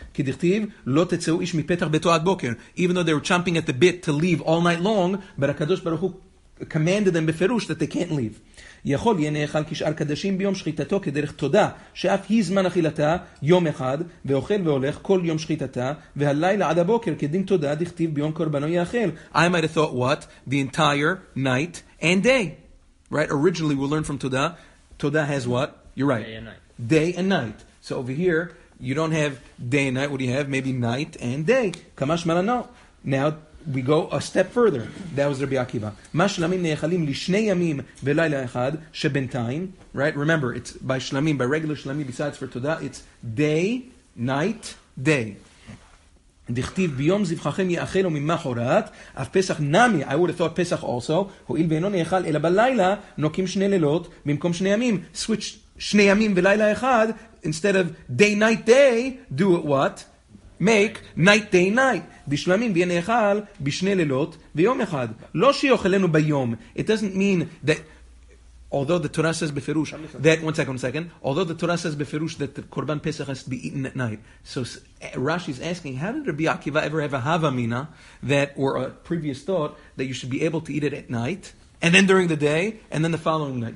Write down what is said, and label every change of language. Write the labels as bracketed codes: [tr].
[he] כדכתיב, לא תצאו איש מפתח ביתו עד בוקר. [en] Even though they were chomping at the bit to leave all night long, but הקדוש ברוך הוא commanded them בפירוש that they can't leave. [he] יכול יהיה נאכל כשאר קדשים ביום שחיטתו כדרך תודה, שאף היא זמן אכילתה יום אחד, ואוכל והולך כל יום שחיטתה, והלילה עד הבוקר כדין תודה דכתיב ביום קורבנו יאכל. [en] I might have thought, what? The entire night and day. Right? Originally we learned from Toda. Toda has what? You're right. Day and night. Day and night. So over here, you don't have day and night. What do you have? Maybe night and day. Kamash malano. Now, we go a step further. That was Rabbi Akiva. Ma shlamim ne'echalim lishnei yamim v'layla echad shebentayim. Right? Remember, it's by shlamim, by regular shlamim, besides for Todah, it's day, night, day. [he] דכתיב ביום זבחכם יאכלו ממחרת, אף פסח נמי, [en] I would have thought [he] פסח also, הואיל ואינו נאכל אלא בלילה, נוקים שני לילות במקום שני ימים. [en] Switch [he] שני ימים ולילה אחד, [en] instead of day, night, day, do it what? Make night, day, night. [he] בשלמים ויהיה נאכל בשני לילות ויום אחד. לא שיוכלנו ביום. [en] It doesn't mean that, although the Torah says בפירוש, that, one second, although the Torah says בפירוש that the Korban Pesach has to be eaten at night. So Rashi is asking, how did Rabbi Akiva ever have a Hava Mina, that, or a previous thought, that you should be able to eat it at night, and then during the day, and then the following night?